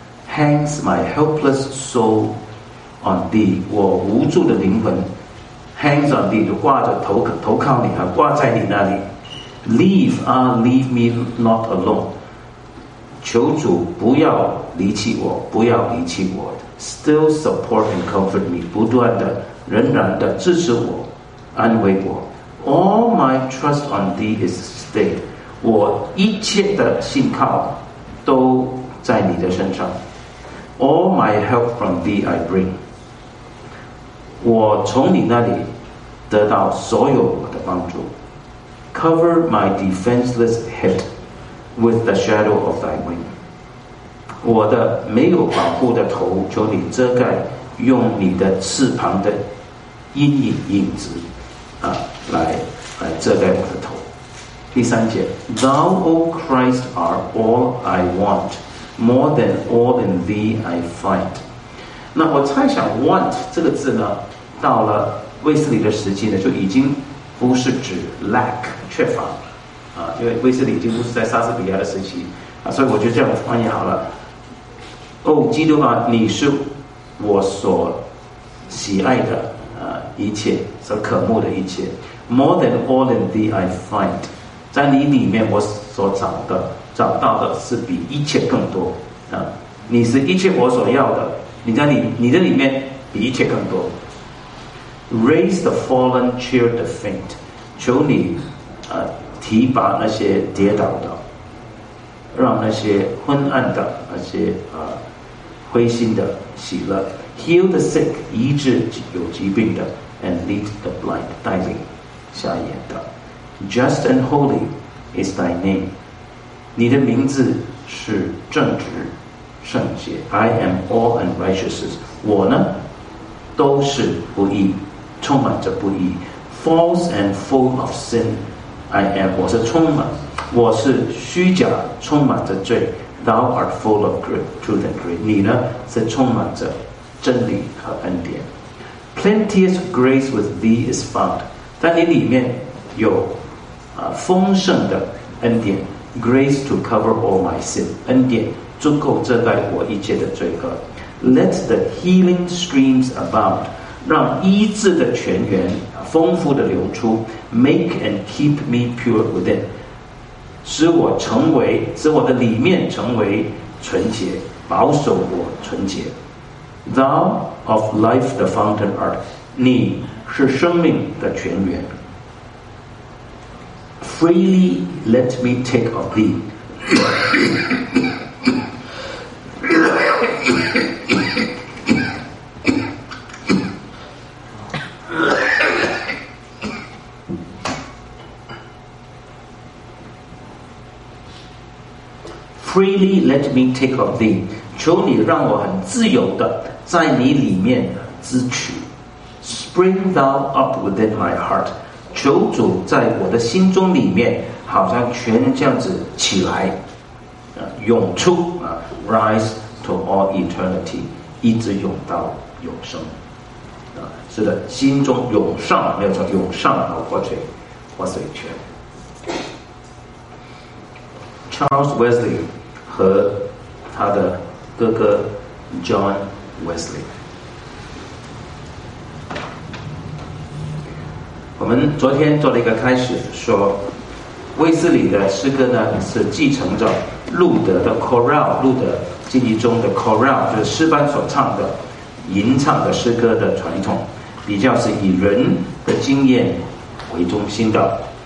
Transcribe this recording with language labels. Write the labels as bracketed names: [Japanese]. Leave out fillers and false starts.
[English] Hangs my helpless soul on thee， [Chinese] 我无助的灵魂 ， [English] hangs on thee， [Chinese] 就挂着投靠你啊，挂在你那里。 [English] Leave me not alone， [Chinese] 求主不要离弃我，不要离弃我。 [English] Still support and comfort me， [Chinese] 不断的、仍然的支持我、安慰我。 [English] All my trust on thee is stayed， [Chinese] 我一切的信靠都在你的身上。 [English] All my help from thee I bring， [Chinese] 我从你那里得到所有我的帮助。 [English] Cover my defenseless head with the shadow of thy wing， [Chinese] 我的没有保护的头求你遮盖，用你的翅膀的阴影影子来遮盖我的头。第三节 [English] Thou, O Christ, are all I want，More than all in thee I find。 [Chinese] 那我猜想 want 这个字呢，到了卫斯理的时期呢，就已经不是指 lack 缺乏因为卫斯理已经不是在莎士比亚的时期所以我就这样翻译好了。哦，基督啊，你是我所喜爱的一切，所渴慕的一切。 [English] More than all in thee I find， [Chinese] 在你里面我所找到的是比一切更多你是一切我所要的，你的里面比一切更多。 [English] Raise the fallen, cheer the faint， [Chinese] 求你提拔那些跌倒的。让那些昏暗的那些灰心的喜乐。 [English] Heal the sick， [Chinese] 医治有疾病的。 [English] And lead the blind， [Chinese] 带领瞎眼的。 [English] Just and holy is thy name， [Chinese] 你的名字是正直圣洁。 [English] I am all unrighteousness， [Chinese] 我呢都是不义，充满着不义。 [English] False and full of sin I am， [Chinese] 我是充满，我是虚假，充满着罪。 [English] Thou art full of truth and grace， [Chinese] 你呢是充满着真理和恩典。 [English] Plenteous grace with thee is found， [Chinese] 在你里面有丰盛的恩典。 [English] Grace to cover all my sin， [Chinese] 恩典足够遮盖我一切的罪恶。 [English] Let the healing streams abound， [Chinese] 让医治的泉源丰富的流出。 [English] Make and keep me pure within， [Chinese] 使我成为，使我的里面成为纯洁，保守我纯洁。 [English] Thou of life the fountain art， [Chinese] 你是生命的泉源。 [English] Freely let me take of thee， Freely let me take of thee， [Chinese] 求你让我很自由的在你里面支取。 [English] Spring thou up within my heart， [Chinese] 求主在我的心中里面好像泉这样子起来，涌出。 [English] Rise to all eternity， [Chinese] 一直涌到永生。是的，心中涌上，没有错，涌上脑火水，火水泉。 Charles Wesley和他的哥哥 John Wesley， 我们昨天做了一个开始，说威斯里的诗歌呢是继承着路德的 Choral， 路德经济中的 Choral 就是诗班所唱的吟唱的诗歌的传统，比较是以人的经验为中心的。